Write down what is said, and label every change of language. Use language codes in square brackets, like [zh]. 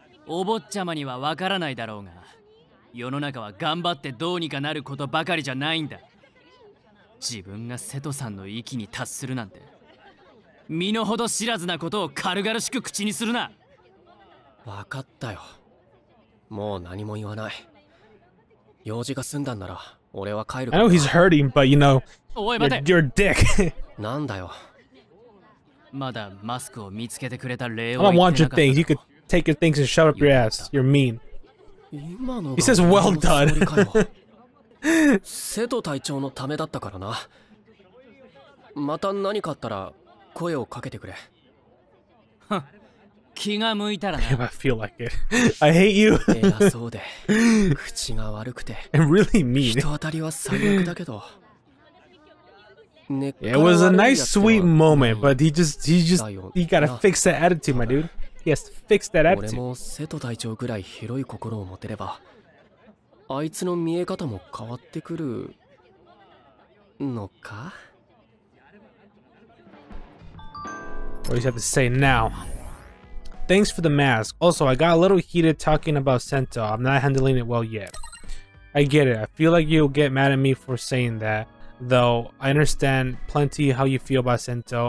[ja] お坊ちゃまには分からないだろうが、世の中は頑張ってどうにかなることばかりじゃないんだ。自分が瀬戸さんの域に達するなんて身の程知らずなことを軽々しく口にするな。分かったよ、もう何も言わない。用事が済んだんなら俺は帰るから。 [en] I know he's hurting, but you know, you're a dick. [ja] なんだよ。まだマスクを見つけてくれた礼を。 [en] I don't want your things. You could take your things and shut up your ass. You're mean. [ja] 今の [en] He says, well done. [ja] 瀬戸隊長のためだったからな。また何かあったら声をかけてくれ。気が向いたらな。 [en] If I feel like it. I hate you. [ja] 偉そうで口が悪くて [en] And really mean. [ja] 人当たりは最悪だけど、 [en] It was a nice, sweet moment, but he just, he gotta fix that attitude, my dude. He has to fix that attitude. [ja] 俺も瀬戸隊長ぐらい広い心を持てれば、あいつの見え方も変わってくるのか? [en] What do you have to say now? Thanks for the mask. Also, I got a little heated talking about Sento. I'm not handling it well yet. I get it. I feel like you'll get mad at me for saying that. Though, I understand plenty how you feel about Sento.